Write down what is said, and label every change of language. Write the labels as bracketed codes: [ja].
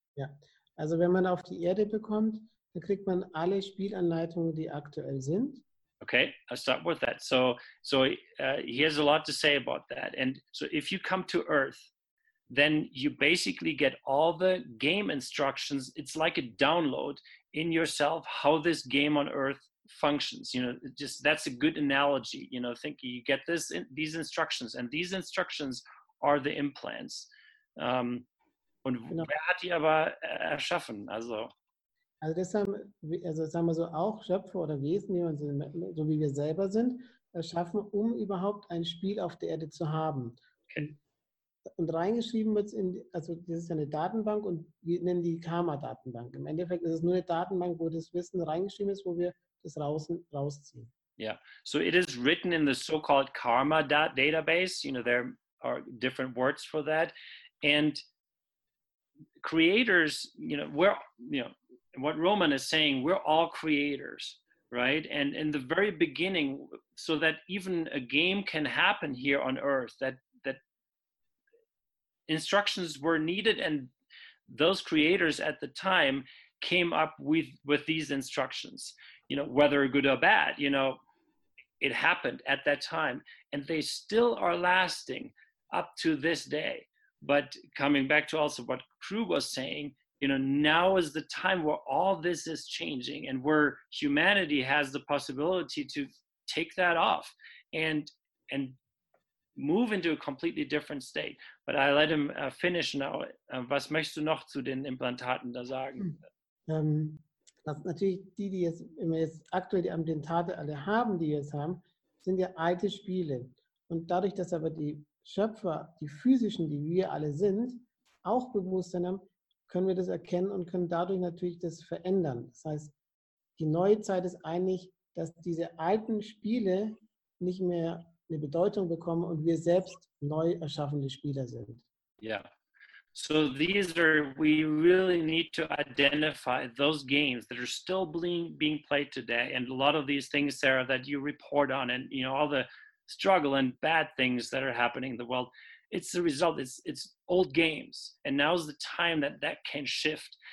[de] Ja, also wenn man auf die Erde bekommt, dann kriegt man alle Spielanleitungen, die aktuell sind. [en] Okay, I'll start with that. So he has a lot to say about that. And so if you come to Earth, then you basically get all the game instructions. It's like a download in yourself how this game on earth functions. You know, just that's a good analogy. You know, think you get this in, these instructions, and these instructions are the implants. [de] Und genau. Wer hat die aber erschaffen? Also das haben, also sagen wir so, auch Schöpfer oder Wesen, die uns, so wie wir selber sind, erschaffen, um überhaupt ein Spiel auf der Erde zu haben. Okay. Und reingeschrieben wird es in, also das ist ja eine Datenbank, und wir nennen die Karma-Datenbank. Im Endeffekt ist es nur eine Datenbank, wo das Wissen reingeschrieben ist, wo wir das rausziehen. Ja, [en] yeah. So it is written in the so-called Karma-Database. You know, there are different words for that. And creators, you know, we're, you know, what Roman is saying, we're all creators, right? And in the very beginning, so that even a game can happen here on Earth, that instructions were needed, and those creators at the time came up with these instructions, you know, whether good or bad, you know, it happened at that time, and they still are lasting up to this day. But coming back to also what Crew was saying, you know, now is the time where all this is changing, and where humanity has the possibility to take that off and move into a completely different state. But I let him finish now. [de] Was möchtest du noch zu den Implantaten da sagen? Was natürlich die jetzt, wenn wir jetzt aktuell die Implantate alle haben, die jetzt haben, sind ja alte Spiele. Und dadurch, dass aber die Schöpfer, die physischen, die wir alle sind, auch Bewusstsein haben, können wir das erkennen und können dadurch natürlich das verändern. Das heißt, die neue Zeit ist eigentlich, dass diese alten Spiele nicht mehr eine Bedeutung bekommen und wir selbst neu erschaffene Spieler sind. [en] Yeah. So these are, we really need to identify those games that are still being played today, and a lot of these things, Sarah, that you report on, and you know, all the struggle and bad things that are happening in the world, it's the result, it's old games, and now's the time that can shift.